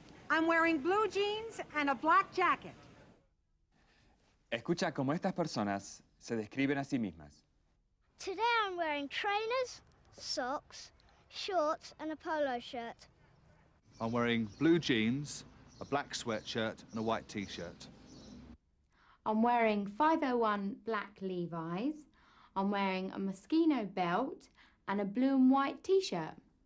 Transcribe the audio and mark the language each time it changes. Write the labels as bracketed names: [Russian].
[English] I'm wearing blue jeans and a black jacket. [Spanish] Escucha cómo estas personas se describen a sí mismas. [English] Today I'm wearing trainers, socks, shorts, and a polo shirt. I'm wearing blue jeans, a black sweatshirt, and a white t-shirt. I'm wearing 501 black Levi's. I'm wearing a Moschino belt and a blue and white t-shirt.